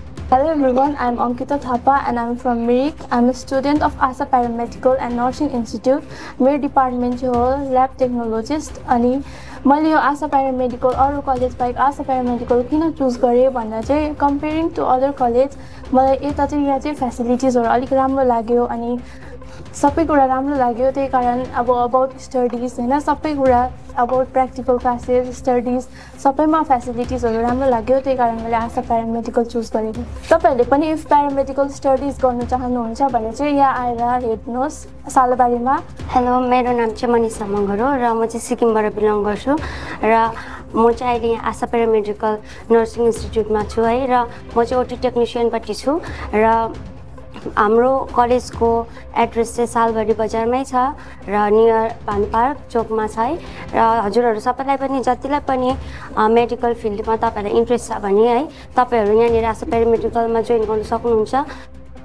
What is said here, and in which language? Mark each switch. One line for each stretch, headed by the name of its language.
English: Hello everyone, I'm Ankita Thapa and I'm from MIRIC. I'm a student of ASA Paramedical and Nursing Institute, MIR Department Lab Technologist. And I'm from ASA Paramedical or college by ASA Paramedical. I choose to comparing to other colleges, I have the facilities or I have a lot
Nepali: सबै कुरा राम्रो लाग्यो त्यही कारण अब about studies होइन सबै कुरा अबाउट प्र्याक्टिकल क्लासेस स्टडिज सबैमा फेसिलिटिजहरू राम्रो लाग्यो त्यही कारण मैले आशा प्यारामेडिकल चुज गरेको तपाईँहरूले पनि इफ प्यारामेडिकल स्टडिज गर्नु चाहनुहुन्छ भने चाहिँ यहाँ आएर हेर्नुहोस् सालबारीमा हेलो मेरो नाम चाहिँ मनिषा मगर हो र म चाहिँ सिक्किमबाट बिलङ गर्छु र म चाहिँ अहिले यहाँ आशा प्यारामेडिकल नर्सिङ इन्स्टिट्युटमा छु है र म चाहिँ ओटी टेक्निसियनपट्टि छु र हाम्रो कलेजको एड्रेस चाहिँ सालबारी बजारमै छ र नियर भानु पार्क चोकमा छ है र हजुरहरू सबैलाई पनि जतिलाई पनि मेडिकल फिल्डमा तपाईँहरूलाई इन्ट्रेस्ट छ भने है तपाईँहरू यहाँनिर आशा प्यारामेडिकलमा जोइन गर्न सक्नुहुन्छ